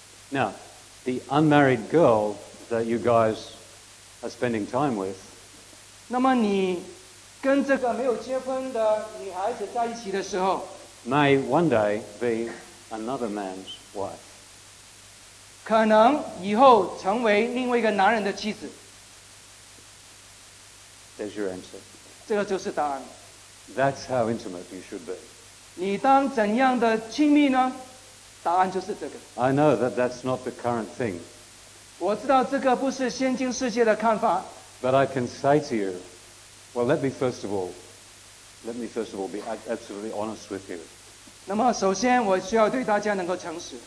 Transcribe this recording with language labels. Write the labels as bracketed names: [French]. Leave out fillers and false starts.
[English] Now, the unmarried girl that you guys are spending time with, [Chinese] 那么你跟这个没有结婚的女孩子在一起的时候, [English] may one day be another man's wife. [Chinese] 可能以后成为另外一个男人的妻子。 [English] There's your answer. [Chinese] 这个就是答案。 [English] That's how intimate you should be. [Chinese] 你当怎样的亲密呢?答案就是这个。 [English] I know that that's not the current thing. [Chinese] 我知道这个不是现今世界的看法。 [English] But I can say to you, well, let me first of all be absolutely honest with you. [Chinese] 那么首先我需要对大家能够诚实。